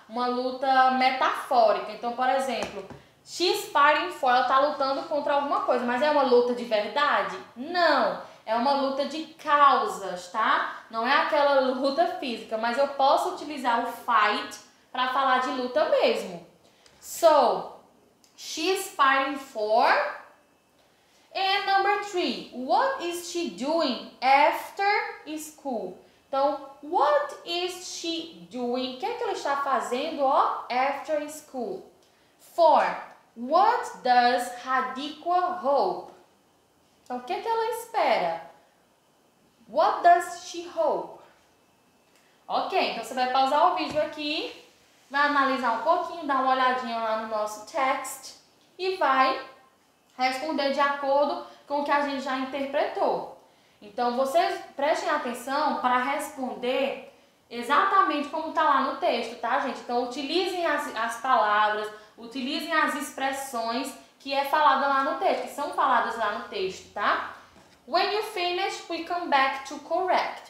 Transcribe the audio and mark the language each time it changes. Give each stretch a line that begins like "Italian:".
Portuguese: Uma luta metafórica. Então, por exemplo,
English: she's fighting for,
Portuguese: ela tá lutando contra alguma coisa, mas é uma luta de verdade? Não. É uma luta de causas, tá? Não é aquela luta física, mas eu posso utilizar o fight para falar de luta mesmo.
English: So, she's fighting for. And number three, what is she doing after school?
Portuguese: Então,
English: what is she doing?
Portuguese: O que é que ela está fazendo, ó,
English: after school? Four, what does Radhika hope?
Portuguese: Então, o que é que ela espera?
English: What does she hope?
Portuguese: Ok, então você vai pausar o vídeo aqui. Vai analisar um pouquinho, dar uma olhadinha lá no nosso text e vai responder de acordo com o que a gente já interpretou. Então, vocês prestem atenção para responder exatamente como está lá no texto, tá, gente? Então, utilizem as palavras, utilizem as expressões que é falada lá no texto, que são faladas lá no texto, tá?
English: When you finish, we come back to correct.